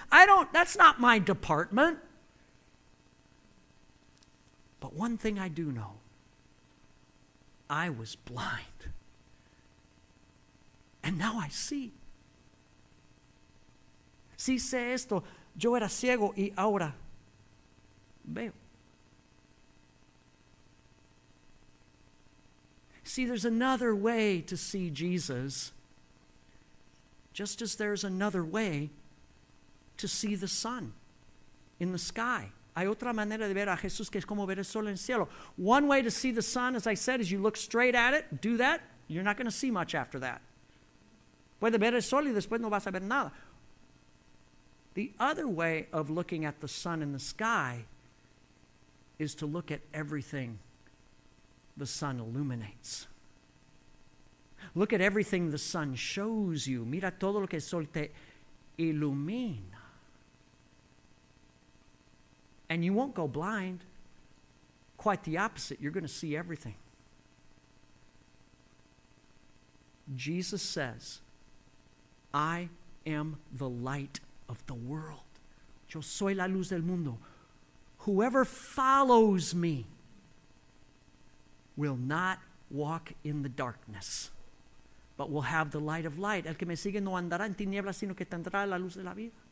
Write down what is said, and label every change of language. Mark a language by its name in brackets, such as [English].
[English] That's not my department. But one thing I do know, I was blind, and now I see. [Spanish] Si sé esto, yo era ciego y ahora veo. [English] See, there's another way to see Jesus, just as there's another way to see the sun in the sky. [Spanish] Hay otra manera de ver a Jesús que es como ver el sol en el cielo. [English] One way to see the sun, as I said, is you look straight at it. Do that, you're not going to see much after that. [Spanish] Puede ver el sol y después no vas a ver nada. [English] The other way of looking at the sun in the sky is to look at everything the sun illuminates. Look at everything the sun shows you. [Spanish] Mira todo lo que el sol te ilumina. [English] And you won't go blind. Quite the opposite. You're going to see everything. Jesus says, I am the light of the world. [Spanish] Yo soy la luz del mundo. [English] Whoever follows me will not walk in the darkness, but will have the light of light. [Spanish] El que me sigue no andará en tinieblas, sino que tendrá la luz de la vida.